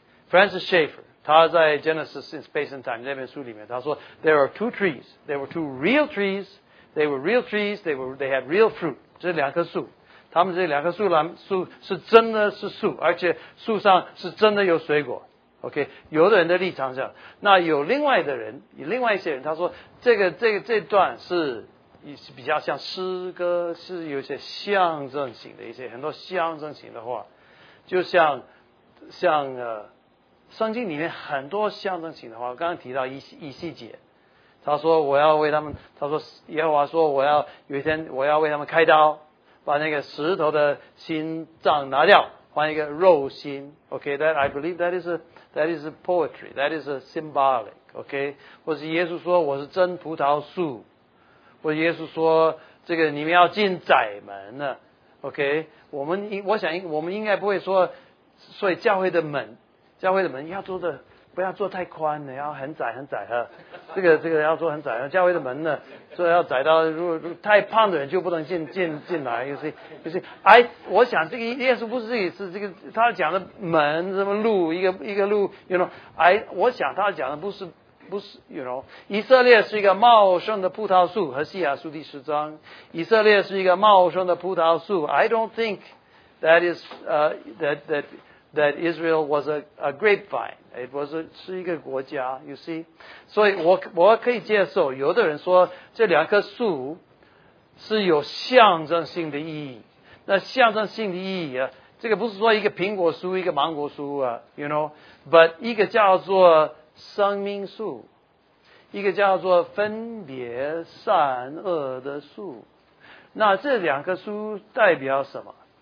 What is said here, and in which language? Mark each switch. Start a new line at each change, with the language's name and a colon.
English: Francis Schaeffer
Chinese: 他在
English: Genesis in Space and Time
Chinese: 那本书里面，他说
English: there are two trees， there were two real trees， they were real trees， they had real fruit。
Chinese: 这两棵树，他们这两棵树是真的是树，而且树上是真的有水果。 OK， 有的人的立场上，那有另外的人，有另外一些人，他说这段是。是比较像诗歌，是有一些象征性的，一些很多象征性的话，就像圣经里面很多象征性的话，刚刚提到以西结，他说我要为他们，他说耶和华说我要有一天我要为他们开刀，把那个石头的心脏拿掉，换一个肉心。
English: OK， that I believe that is a poetry， that is a symbolic。
Chinese: OK， 或是耶稣说我是真葡萄树。或者耶稣说这个你们要进窄门了 OK， 我想我们应该不会说，所以教会的门要做的不要做太宽了，要很窄很窄，这个要做很窄，教会的门呢所以要窄到如果太胖的人就不能进来，就是我想这个耶稣不是自己是这个他讲的门什么路一个路
English: you know，
Chinese: 我想他讲的不是 you know， 以色列是一个茂盛的葡萄树，和西亚书第十章，以色列是一个茂盛的葡萄树。
English: I don't think that is that Israel was a grapevine. It was
Chinese: 是一个国家。
English: You see，
Chinese: 所以我可以接受。有的人说这两棵树是有象征性的意义。那象征性的意义啊，这个不是说一个苹果树，一个芒果树啊 ，
English: you know，but
Chinese: 一个叫做。生命树，一个叫做分别善恶的树，那这两棵树代表什么？